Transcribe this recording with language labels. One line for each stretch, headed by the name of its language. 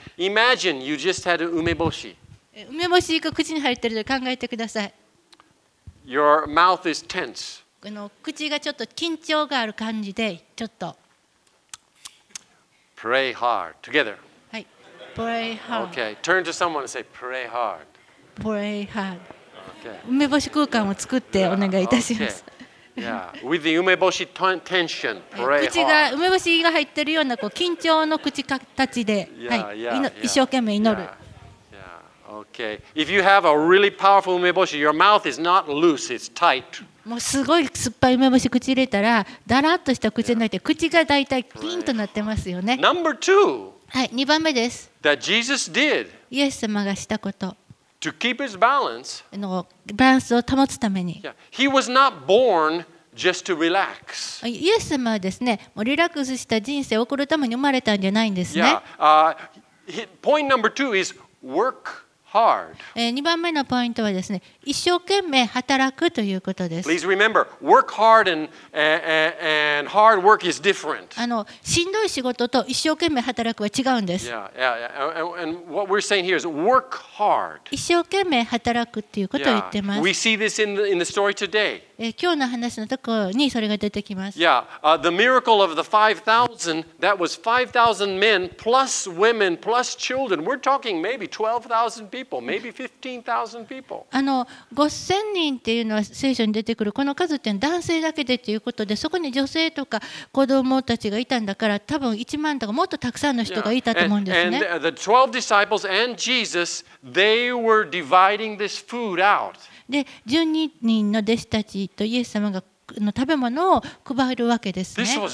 English: Imagine you just had 梅干し。
Japanese: 梅干しが口に入ってると考えてください。
English: Your mouth is tense.
Japanese: 口がちょっと緊張がある感じで、ちょっと。
English: Pray hard together. はい。Pray hard. Okay. Turn to someone and say, pray hard. Pray hard. Okay.
Japanese: 梅干し空間を作ってお願いいたします。
English: Yeah. With the 梅干し tension, pray hard.
Japanese: 口が梅干しが入ってるようなこう緊張の口形で、はい。一生懸命祈る。
English: Okay. If you have a really powerful 梅干し, your mouth is not loose, it's tight.
Japanese: もうすごい酸っぱい梅干し口入れたら、だらっとした口じゃなくて、口がだいたいピンとなってますよね。
English: Number two.
Japanese: はい、2番目です。
English: That Jesus did.
Japanese: イエス様がしたこと。
English: To keep his balance.
Japanese: のバランスを保つために。
English: Yeah. He was not born just to relax.
Japanese: イエス様はですね、もうリラックスした人生を送るために生まれたんじゃないんですね。
English: Yeah. Point number two is work.
Japanese: 2番目のポイントはですね、一生懸命働くということです。
English: Please remember, work hard and hard work is different.
Japanese: しんどい仕事と一生懸命働くは違うんです。
English: And what we're saying here is work hard.
Japanese: 一生懸命働くということを言ってます。
English: We see this in the story today.
Japanese: 今日の話のところにそれが出てきます。
English: Yeah, the miracle of the 5,000, that was 5,000 men plus women plus children. We're talking maybe 12,000 people.
Japanese: 5000人っていうのは聖書に出てくるこの数っていうのは男性だけでということで、そこに女性とか子供たちがいたんだから、多分1万とかもっとたくさんの人がいたと思うんですね。
English: And the 12 disciples and Jesus, they were dividing this food out.
Japanese: で、12人の弟子たちとイエス様がの食べ物を配るわけですね。